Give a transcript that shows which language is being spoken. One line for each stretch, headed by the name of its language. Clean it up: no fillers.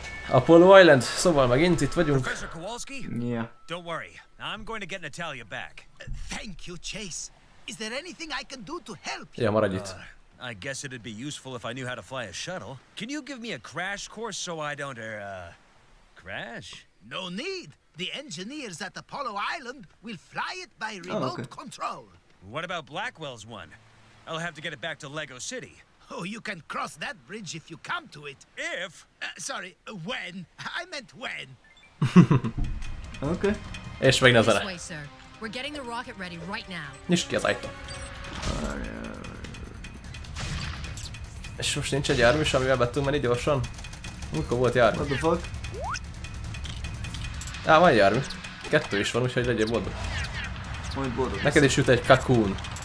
Hungarian: Apollo Island, szóval megint itt vagyunk.
English: Professor Kowalski? Yeah. Don't worry, I'm going to get Natalia back. Thank you, Chase. Is there anything I can do to help you?
Hungarian: Ja, maradj itt.
English: I guess it'd be useful if I knew how to fly a shuttle. Can you give me a crash course so I don't, crash? No need. The engineers at Apollo Island will fly it by remote control. What about Blackwell's one? I'll have to get it back to Lego City. Oh, you can cross that bridge if you come to it. If? Sorry, when? I meant when. Okay.
Hungarian: És meg nezere.
English: This way, sir. We're getting the rocket ready right now.
Hungarian: Nyisd ki az ajtó. És most nincs egy jármű, amivel be tudunk menni gyorsan? Mikor volt jármű?
English: What the fuck?
Hungarian: Á, van jármű. Kettő is van, úgyhogy legyél boldog. Majd boldog. Neked is jut egy kakún.